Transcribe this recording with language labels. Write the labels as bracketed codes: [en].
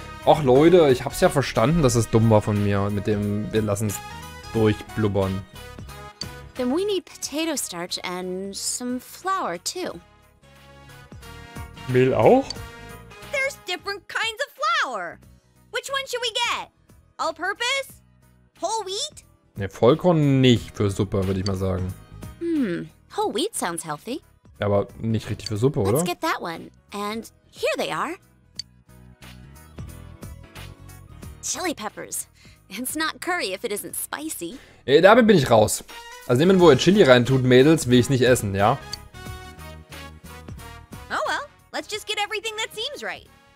[de] Och Leute, ich hab's ja verstanden, dass es dumm war von mir mit dem, wir lassen's durchblubbern. [en] Then we need potato starch and some flour too. [de] Mehl auch? [en] There's different kinds of flour. Which one should we get? All purpose? Whole wheat? [de] Ne, Vollkorn nicht für Suppe, würde ich mal sagen. [en] Whole wheat sounds healthy. [de] Aber nicht richtig für Suppe, [en] Let's [de] oder? [en] Let's get that one. And here they are. Chili peppers. It's not curry if it isn't spicy. [de] Damit bin ich raus. Also nehmen, wo ihr Chili reintut, Mädels, will ich's nicht essen, ja? [en] Oh well, let's just get everything that seems right.